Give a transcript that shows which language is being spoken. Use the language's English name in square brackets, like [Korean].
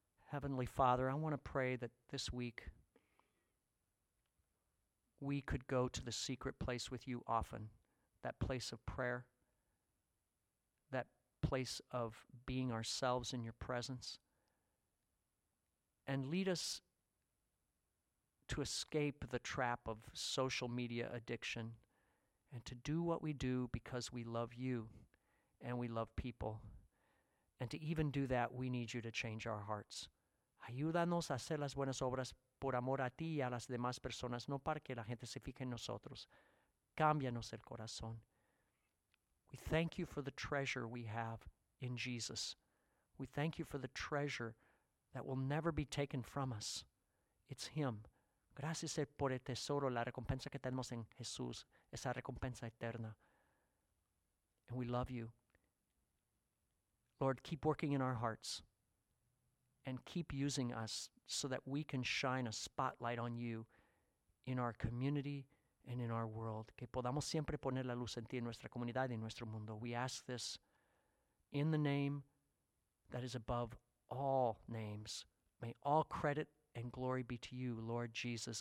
[English] Heavenly Father, I want to pray that this week we could go to the secret place with you often, that place of prayer, that place of being ourselves in your presence, and lead us to escape the trap of social media addiction and to do what we do because we love you and we love people. And to even do that, we need you to change our hearts. [Spanish] Ayúdanos a hacer las buenas obras por amor a ti y a las demás personas, no para que la gente se fije en nosotros. Cámbianos el corazón. [English] We thank you for the treasure we have in Jesus. We thank you for the treasure that will never be taken from us. It's him. [Spanish] Gracias por el tesoro, la recompensa que tenemos en Jesús, esa recompensa eterna. [English] And we love you. Lord, keep working in our hearts. And keep using us so that we can shine a spotlight on you in our community and in our world. [Spanish] Que podamos siempre poner la luz en ti en nuestra comunidad y en nuestro mundo. [English] We ask this in the name that is above all names. May all credit and glory be to you, Lord Jesus.